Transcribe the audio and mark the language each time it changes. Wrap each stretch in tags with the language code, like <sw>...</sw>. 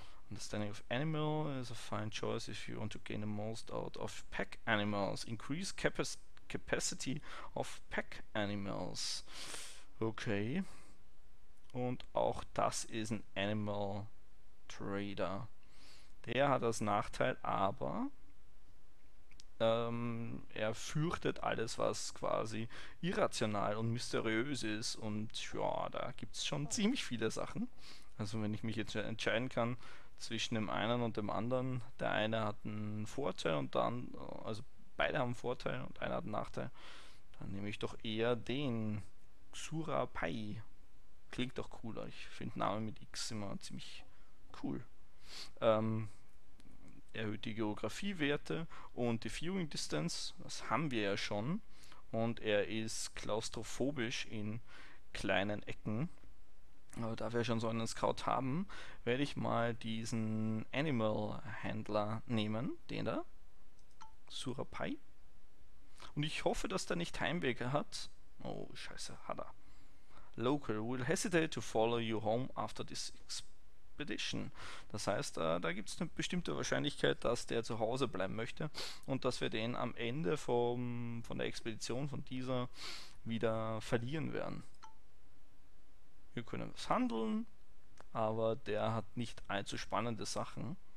<en>Understanding of Animal is a fine choice if you want to gain the most out of pack animals. Increase capacity of pack animals.</en> <de>Okay, und auch das ist ein Animal Trader. Der hat das Nachteil, aber er fürchtet alles, was quasi irrational und mysteriös ist. Und ja, da gibt es schon ziemlich viele Sachen. Also wenn ich mich jetzt entscheiden kann zwischen dem einen und dem anderen, der eine hat einen Vorteil und dann, also beide haben einen Vorteil und einer hat einen Nachteil, dann nehme ich doch eher den. Xurapai. Klingt doch cooler. Ich finde Namen mit X immer ziemlich cool. Erhöht die Geografiewerte und die Viewing Distance. Das haben wir ja schon. Und er ist klaustrophobisch in kleinen Ecken. Aber da wir schon so einen Scout haben, werde ich mal diesen Animal Handler nehmen. Den da. Xurapai. Und ich hoffe, dass der nicht Heimweg hat. Oh, scheiße, hat er.</de> <en>Local will hesitate to follow you home after this expedition.</en> <de>Das heißt, da gibt es eine bestimmte Wahrscheinlichkeit, dass der zu Hause bleiben möchte und dass wir den am Ende von der Expedition, von dieser, wieder verlieren werden. Wir können was handeln, aber der hat nicht allzu spannende Sachen.</de>